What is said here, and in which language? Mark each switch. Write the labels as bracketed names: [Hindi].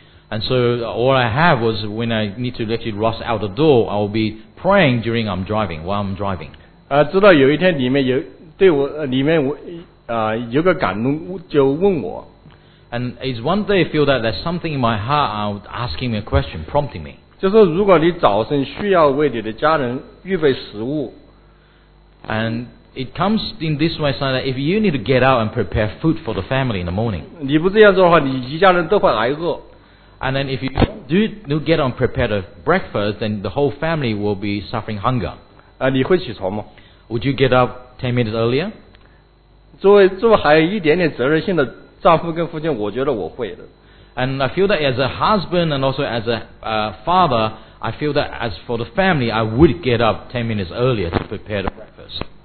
[English] And so all I have was when I need to let it rush out the door, I will be praying during I'm driving, while I'm driving. [Chinese] 直到有一天里面有对我里面有个感动就问我。 [English] And it's one day I feel that there's something in my heart asking me a question, prompting me. [Chinese] 就是如果你早晨需要为你的家人预备食物。 [English] And it comes in this way, son, that if you need to get out and prepare food for the family in the morning. [Chinese] 你不这样做的话你一家人都会挨饿。 [English] And then if you do you get on prepared a breakfast, then the whole family will be suffering hunger. [Chinese] 你会起床吗? [English] Would you get up 10 minutes earlier? [Chinese] 作为还有一点点责任心的丈夫跟父亲，我觉得我会的。 [English] And I feel that as a husband and also as a father, I feel that as for the family, I would get up 10 minutes earlier to prepare the breakfast.